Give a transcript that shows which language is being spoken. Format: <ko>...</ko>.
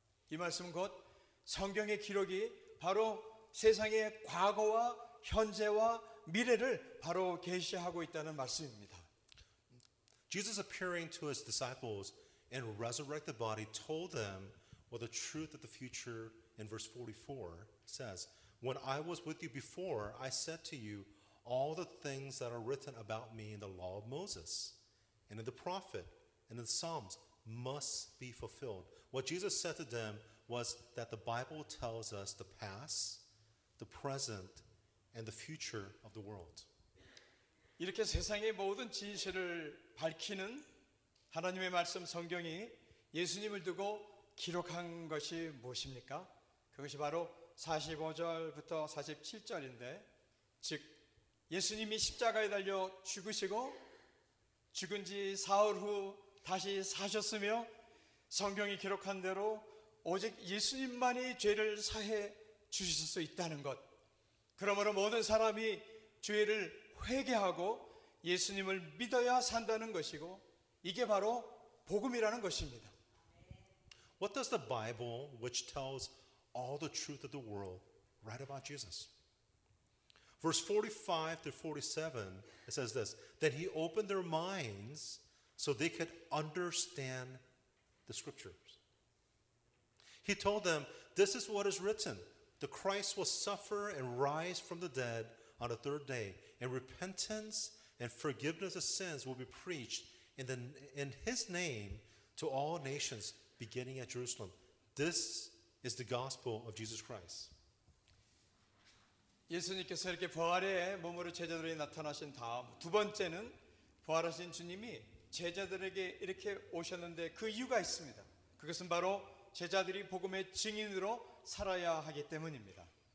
<ko>이 말씀은 곧 성경의 기록이 바로 세상의 과거와 현재와 미래를 바로 계시하고 있다는 말씀입니다.</ko> <en>Jesus appearing to his disciples in a resurrected body told them what the truth of the future in verse 44 says. When I was with you before, I said to you all the things that are written about me in the law of Moses and in the prophet and in the Psalms must be fulfilled. What Jesus said to them was that the Bible tells us the past, the present, and the future of the world.</en> <ko>이렇게 세상의 모든 진실을 밝히는 하나님의 말씀 성경이 예수님을 두고 기록한 것이 무엇입니까? 그것이 바로 45절부터 47절인데 즉 예수님이 십자가에 달려 죽으시고 죽은 지 사흘 후 다시 사셨으며 성경이 기록한 대로 오직 예수님만이 죄를 사해 주실 수 있다는 것 그러므로 모든 사람이 죄를 회개하고 예수님을 믿어야 산다는 것이고 이게 바로 복음이라는 것입니다.</ko> <en>What does the Bible, which tells all the truth of the world, write about Jesus? Verse 45 to 47, it says this, that he opened their minds so they could understand the scriptures. He told them, this is what is written. The Christ will suffer and rise from the dead on the third day, and repentance and forgiveness of sins will be preached in his name to all nations, beginning at Jerusalem. This is the gospel of Jesus Christ.</en> <ko>예수님께서 이렇게 부활의 몸으로 제자들에게 나타나신 다음 두 번째는 부활하신 주님이 제자들에게 이렇게 오셨는데 그 이유가 있습니다. 그것은 바로 제자들이 복음의 증인으로 살아야 하기 때문입니다.</ko>